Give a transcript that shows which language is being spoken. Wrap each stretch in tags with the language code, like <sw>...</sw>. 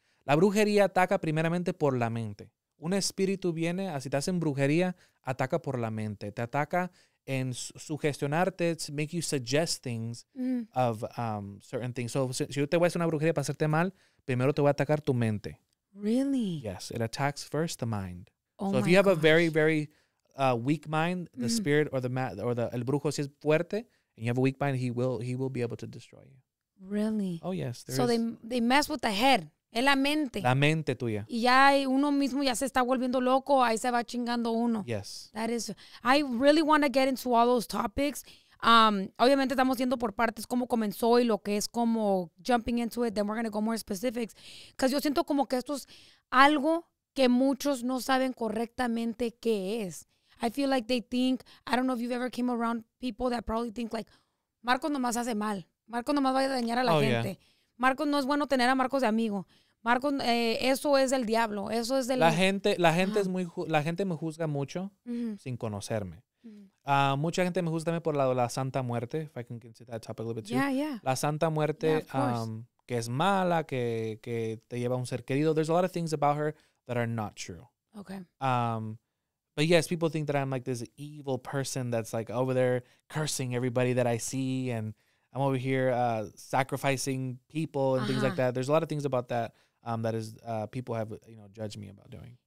<es>La brujería ataca primeramente por la mente. Un espíritu viene, así te hacen brujería, ataca por la mente. Te ataca en sugestionarte,</es> <en>make you suggest things of certain things. So</en> <es>si yo te voy a hacer una brujería para hacerte mal, primero te voy a atacar tu mente.</es> <en>Really? Yes, it attacks first the mind. Oh, so if you have a very, very weak mind, the spirit or</en> <es>el brujo, si es fuerte,</es> <en>and you have a weak mind, he will be able to destroy you. Really? Oh, yes. So they mess with the head.</en> <es>Es la mente tuya. Y ya uno mismo ya se está volviendo loco, ahí se va chingando uno.</es> <en>Yes. That is, I really want to get into all those topics.</en> <es>Obviamente estamos yendo por partes cómo comenzó y lo que es como</es> <en>jumping into it, then we're going to go more specifics. Because</en> <es>yo siento como que esto es algo que muchos no saben correctamente qué es.</es> <en>I feel like they think, I don't know if you've ever came around people that probably think like,</en> <es>Marcos nomás hace mal, Marcos nomás va a dañar a la gente.</es> <en>Yeah.</en> <es>Marcos no es bueno tener a Marcos de amigo. Marcos, eso es del diablo. Eso es del. La gente me juzga mucho sin conocerme. Mm-hmm. Mucha gente me juzga también por la Santa Muerte.</es> <en>If I can consider that topic a little bit too. Yeah.</en> <es>La Santa Muerte, que es mala, que te lleva a un ser querido.</es> <en>There's a lot of things about her that are not true. Okay. But yes, people think that I'm like this evil person that's like over there cursing everybody that I see, and I'm over here sacrificing people and things like that. There's a lot of things about that people have, you know, judged me about doing.</en>